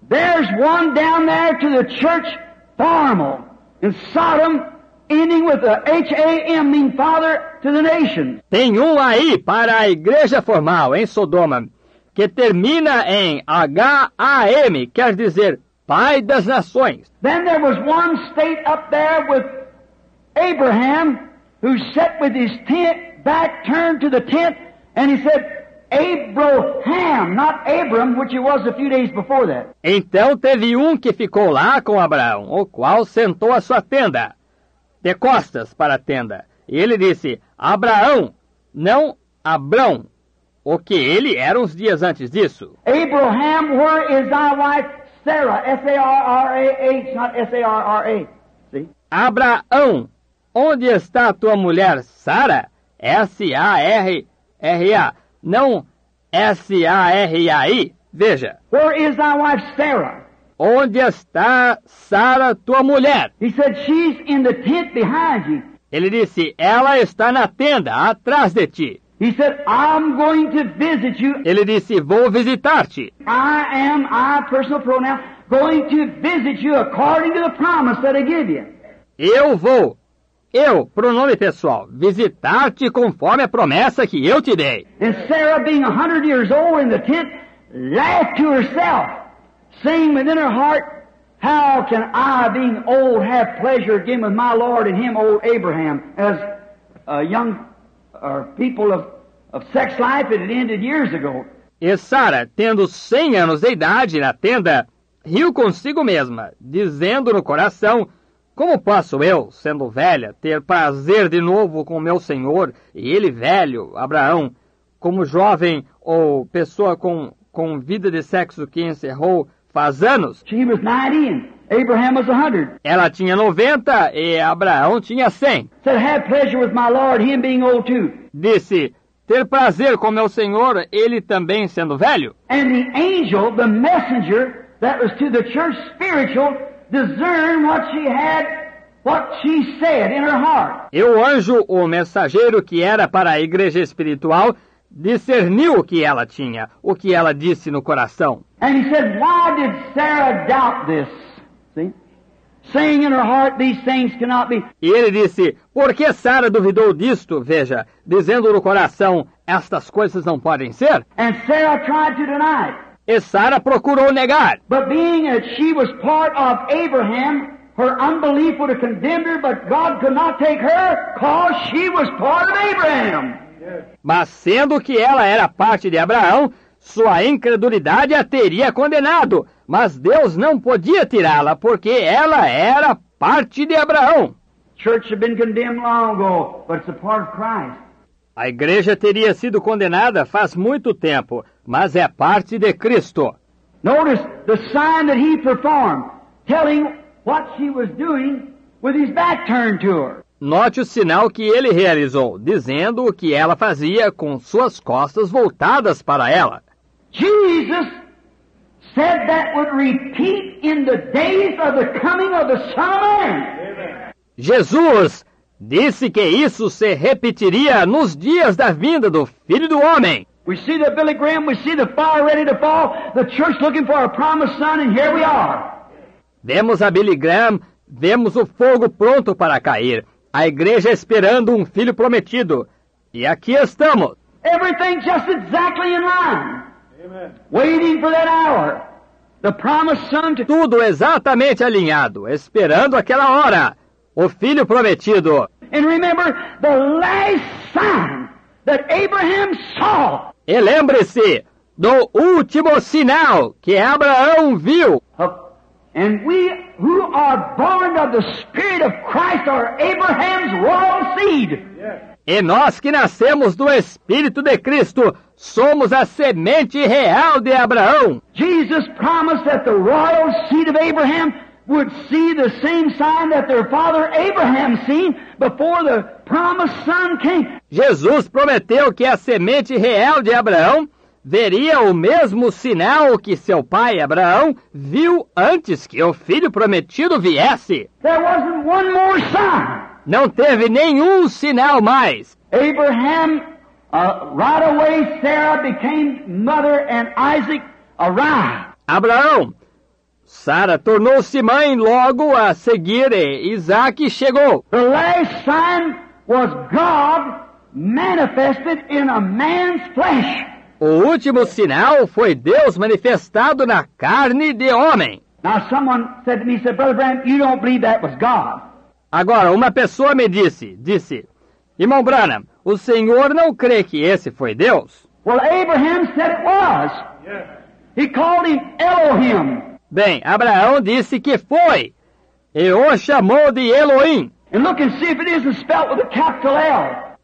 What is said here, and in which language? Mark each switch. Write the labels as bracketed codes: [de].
[en] There's one down there to the church formal, in Sodom, ending with a H-A-M, meaning father to the nation. [pt] Tem um aí para a igreja formal, em Sodoma, que termina em H-A-M, quer dizer, pai das nações. [en] Then there was one state up there with Abraham, who sat with his tent back turned to the tent, and he said, Abraham, not Abram, which it was a few days before that. [pt] Então teve um que ficou lá com Abraão, o qual sentou a sua tenda, de costas para a tenda. E ele disse, Abraão, não Abrão, o que ele era uns dias antes disso. [en] Abraham, where is thy wife Sarah? S-A-R-R-A-H, not S-A-R-R-A. [pt] Abraão, onde está a tua mulher Sara? S-A-R-R-A. Não S-A-R-A-I. Veja. [en] Where is thy wife Sarah? [pt] Onde está Sara, tua mulher? [en] He said, she's in the tent behind you. [pt] Ele disse, ela está na tenda, atrás de ti. [en] He said, I'm going to visit you. [pt] Ele disse, vou visitar-te. [en] I am, I, personal pronoun, going to visit you according to the promise that I give you. [pt] Eu vou. Eu, pronome pessoal, visitar-te conforme a promessa que eu te dei. [en] And Sarah, being 100 years old in the tent, laughed to herself, saying within her heart, how can I, being old, have pleasure again with my Lord and him, old Abraham, as a young people of sex life that had ended years ago. [pt] E Sarah, tendo 100 anos de idade na tenda, riu consigo mesma, dizendo no coração, como posso eu, sendo velha, ter prazer de novo com meu senhor, e ele velho, Abraão, como jovem ou pessoa com vida de sexo que encerrou faz anos? [en] She was 90 and Abraham was 100. [pt] Ela tinha 90 e Abraão tinha 100. [en] Said, have pleasure with my Lord, him being old too. [pt] Disse, ter prazer com meu senhor, ele também sendo velho. [en] And the angel, the messenger, that was to the church spiritual, discern what she had, what she said in her heart. [pt] E o anjo, o mensageiro que era para a igreja espiritual, discerniu o que ela tinha, o que ela disse no coração. [en] And he said, why did Sarah doubt this? See? Saying in her heart, these things cannot be. [pt] E ele disse, por que Sarah duvidou disto? Veja, dizendo no coração, estas coisas não podem ser. [en] And Sarah tried to deny it. [pt] E Sara procurou negar. [en] But being that she was part of Abraham, her unbelief would have condemned her, but God could not take her, cause she was part of Abraham. [pt] Mas sendo que ela era parte de Abraão, sua incredulidade a teria condenado, mas Deus não podia tirá-la, porque ela era parte de Abraão. [en] Church had been condemned long ago, but it's a part of Christ. [pt] A igreja teria sido condenada faz muito tempo, mas é parte de Cristo. [en] Notice the sign that he performed, telling what she was doing with his back turned to her. [pt] Note o sinal que ele realizou, dizendo o que ela fazia com suas costas voltadas para ela. [en] Jesus said that would repeat in the days of the coming of the Son of Man. [pt] Jesus disse que isso se repetiria nos dias da vinda do Filho do Homem. [en] We see the Billy Graham, we see the fire ready to fall, the church looking for a promised son, and here we are. [pt] Vemos a Billy Graham, vemos o fogo pronto para cair, a igreja esperando um filho prometido, e aqui estamos. [en] Everything just exactly in line. Amen. Waiting for that hour. The promised son to... [pt] Tudo exatamente alinhado, esperando aquela hora. O filho prometido. [en] And remember the last sign that Abraham saw. [pt] E lembre-se do último sinal que Abraão viu. [en] And we who are born of the Spirit of Christ are Abraham's royal seed. [pt] E nós que nascemos do Espírito de Cristo somos a semente real de Abraão. [en] Jesus promised that the royal seed of Abraham would see the same sign that their father Abraham seen before the promised son came. [pt] Jesus prometeu que a semente real de Abraão veria o mesmo sinal que seu pai Abraão viu antes que o filho prometido viesse. [en] There wasn't one more sign. [pt] Não teve nenhum sinal mais. [en] Abraham, right away Sarah became mother and Isaac arrived. [pt] Abraão, Sara tornou-se mãe logo a seguir, e Isaac chegou. [en] The last sign was God manifested in a man's flesh. [pt] O último sinal foi Deus manifestado na carne de homem. [en] Now someone said to me, said, Brother Branham, you don't believe that was God. [pt] Agora, uma pessoa me disse, irmão Branham, o senhor não crê que esse foi Deus? [en] Well, Abraham said it was. Yes. He called him Elohim. [pt] Bem, Abraão disse que foi. E o chamou de Elohim. [en] And look and see if it isn't spelled with a capital L.